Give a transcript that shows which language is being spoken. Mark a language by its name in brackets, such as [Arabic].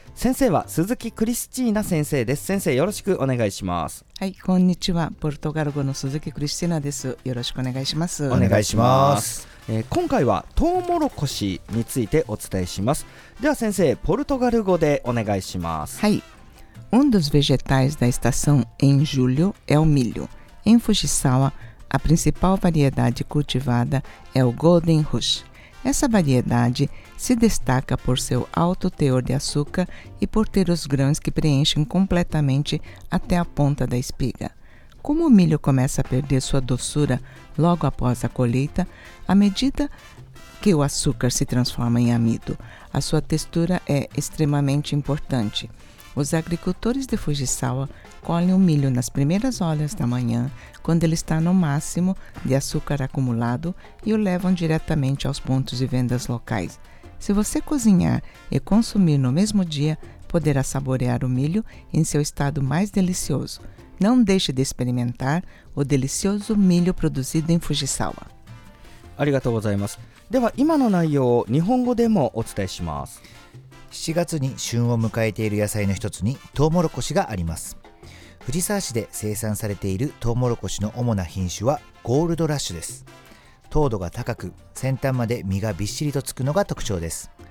[Japanese] 先生は鈴木クリスチーナ先生です。先生よろしくお願いします。はい、こんにちは、ポルトガル語の鈴木クリスチーナです。よろしくお願いします。お願いします。今回はトウモロコシについてお伝えします。では先生、ポルトガル語でお願いします。はい。 [Portuguese] Um dos vegetais da estação em julho é o milho. Em Fujisawa, a principal variedade cultivada é o Golden Rush. Essa variedade se destaca por seu alto teor de açúcar e por ter os grãos que preenchem completamente até a ponta da espiga. Como o milho começa a perder sua doçura logo após a colheita, à medida que o açúcar se transforma em amido, a sua textura é extremamente importante. Os agricultores de Fujisawa colhem o milho nas primeiras horas da manhã, quando ele está no máximo de açúcar acumulado, e o levam diretamente aos pontos de vendas locais. Se você cozinhar e consumir no mesmo dia, poderá saborear o milho em seu estado mais delicioso. Não deixe de experimentar o delicioso milho produzido em Fujisawa. [Japanese] ありがとうございます。では今の内容を日本語でもお伝えします。 7月に旬を迎えている野菜の一つにトウモロコシがあります。藤沢市で生産されているトウモロコシの主な品種はゴールドラッシュです。糖度が高く、先端まで実がびっしりとつくのが特徴です。